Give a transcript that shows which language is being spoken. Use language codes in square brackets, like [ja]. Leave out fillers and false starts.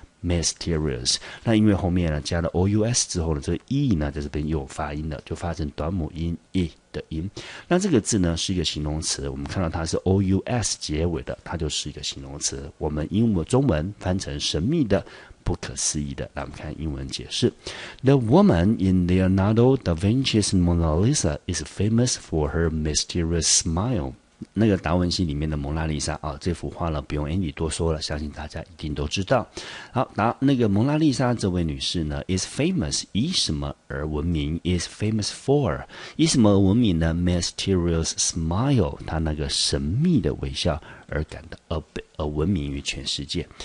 [zh] Mysterious， 那因为后面呢加了 ous 之后呢，这个 e 呢在这边又发音了，就发成短母音 e 的音。那这个字呢是一个形容词，我们看到它是 ous 结尾的，它就是一个形容词。我们英文中文翻成神秘的、不可思议的。那我们看英文解释 [en] ：The woman in Leonardo da Vinci's Mona Lisa is famous for her mysterious smile。 [zh] 那个达文西里面的蒙娜丽莎啊，这幅画呢不用 Andy 多说了，相信大家一定都知道。好，那个蒙娜丽莎这位女士呢 is famous 以什么而闻名， [en] is famous for [zh] 以什么而闻名呢？ [en] mysterious smile， [zh] 她那个神秘的微笑而感到而闻名于全世界。